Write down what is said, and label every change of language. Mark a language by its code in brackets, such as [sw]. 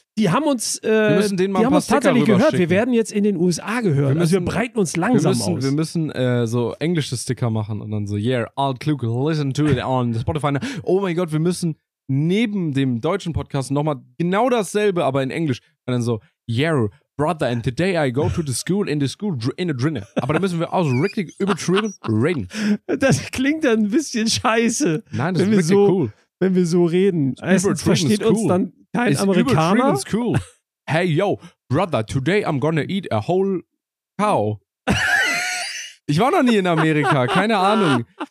[de] Die haben uns, tatsächlich gehört. Wir werden jetzt in den USA gehört. Wir breiten uns langsam aus. Wir müssen so englische Sticker machen und dann so, [en] yeah, [de] altklug, [en] listen to it on Spotify. [de] Oh mein Gott, wir müssen neben dem deutschen Podcast nochmal genau dasselbe, aber in Englisch. Und dann so, [en] yeah, brother, and today I go to the school in the school in a drinne. [de] Aber da müssen wir auch so richtig übertrieben reden. Das klingt dann ein bisschen scheiße. Nein, das ist wirklich so cool. Wenn wir so reden. Es versteht uns dann... Kein Amerikaner? [en] It's cool. Hey, yo, brother, today I'm gonna eat a whole cow. [de] Ich war noch nie in Amerika, keine Ahnung.